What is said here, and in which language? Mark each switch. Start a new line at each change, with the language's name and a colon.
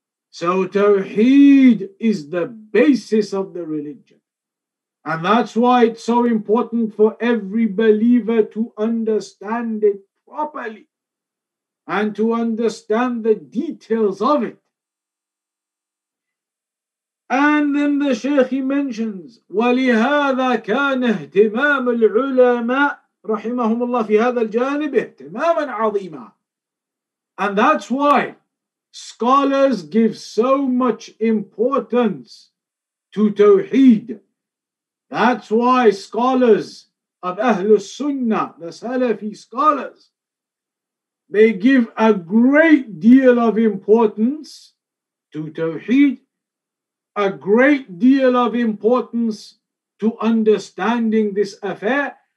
English: So tawhid is the basis of the religion. And that's why it's so important for every believer to understand it properly and to understand the details of it. And then the Shaykh, he mentions,
Arabic: وَلِهَذَا كَانَ اهْتِمَامُ الْعُلَمَاءِ رحمهم الله في هذا الجانب اهتماما عظيما.
English: And that's why scholars give so much importance to tawhid. That's why scholars of Ahlus Sunnah, the Salafi scholars, they give a great deal of importance to tawhid, a great deal of importance to understanding this affair.